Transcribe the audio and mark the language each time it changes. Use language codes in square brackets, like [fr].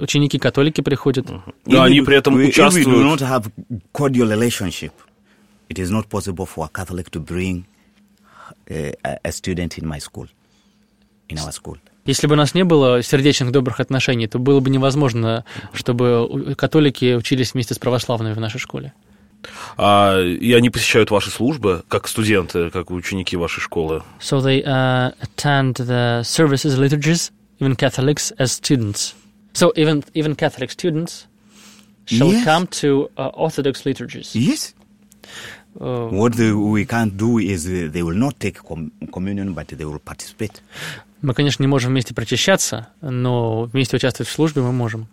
[ru] Ученики-католики приходят. Но они при этом участвуют. [en] If we do not have cordial relationship, it is not possible for a Catholic to bring a student in my school, in our school. [ru] Если бы у нас не было сердечных добрых отношений, то было бы невозможно, чтобы католики учились вместе с православными в нашей школе. И они посещают ваши службы, как студенты, как ученики вашей школы. [en] So they attend the services, liturgies, even Catholics as students. So even Catholic students shall yes. come to Orthodox liturgies. Yes. What we can't do is they will not take communion, but they will participate. [ru] Мы, конечно, не можем вместе причащаться, но вместе участвовать в службе мы можем.